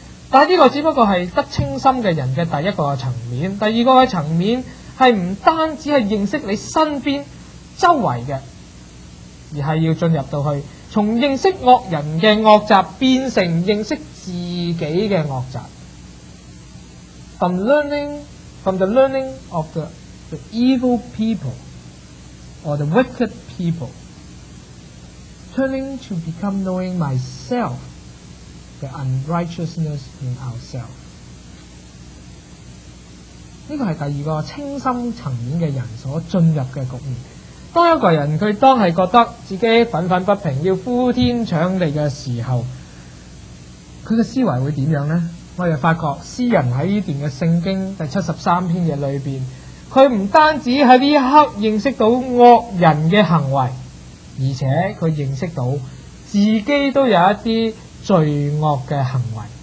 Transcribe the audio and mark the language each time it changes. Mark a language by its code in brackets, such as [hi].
[zh] 但这个只不过是得清心的人的第一个层面，第二个层面是不单只是认识你身边周围的，而是要进入到去从认识恶人的恶习变成认识自己的恶习。 [en] From the learning of the evil people or the wicked people people. Turning to become knowing myself, the unrighteousness in ourselves. [zh] 这个是第二个清心层面的人所进入的局面。当一个人他当是觉得自己愤愤不平要呼天抢地的时候，他的思维会怎样呢？我们发觉诗人在这段的圣经第73篇的里面，他不单止在这一刻认识到恶人的行为，而且他认识到自己都有一些罪恶的行为。